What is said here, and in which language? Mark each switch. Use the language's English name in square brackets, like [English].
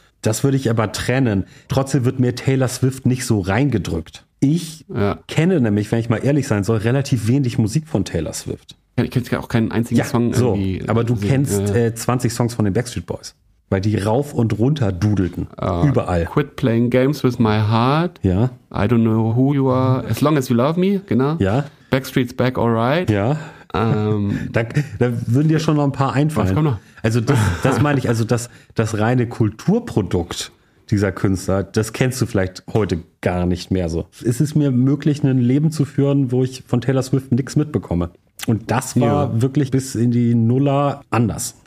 [German] Das würde ich aber trennen. Trotzdem wird mir Taylor Swift nicht so reingedrückt. Ich kenne nämlich, wenn ich mal ehrlich sein soll, relativ wenig Musik von Taylor Swift. Ich kenne auch keinen einzigen Song. So, aber du kennst 20 Songs von den Backstreet Boys, weil die rauf und runter dudelten, überall. [English] Quit playing games with my heart, I don't know who you are, as long as you love me, [German] genau. Ja. [English] Backstreet's back, alright. [German] Ja. Da würden dir schon noch ein paar einfallen. Was, komm noch. Also das meine ich, also das reine Kulturprodukt dieser Künstler, das kennst du vielleicht heute gar nicht mehr so. Ist es mir möglich, ein Leben zu führen, wo ich von Taylor Swift nichts mitbekomme? Und das war wirklich bis in die Nuller anders.